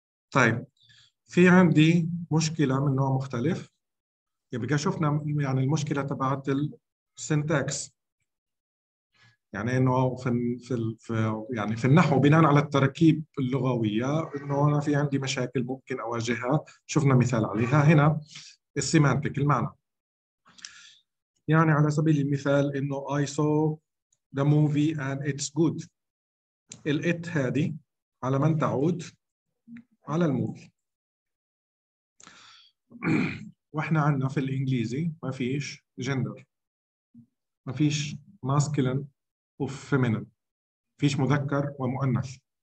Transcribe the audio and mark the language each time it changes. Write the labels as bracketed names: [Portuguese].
[Arabic] طيب في عندي مشكلة من نوع مختلف، يبقى شفنا يعني المشكلة تبعت السنتاكس، يعني انه في النحو بناء على التركيب اللغويه انه انا في عندي مشاكل ممكن اواجهها، شفنا مثال عليها هنا السيمانتيك المعنى. يعني على سبيل المثال انه [English] I saw the movie and it's good. [Arabic] الات هذه على من تعود؟ على الموفي. واحنا عندنا في الانجليزي ما فيش جندر، ما فيش ماسكلين وفيمينين، فيش مذكر ومؤنث.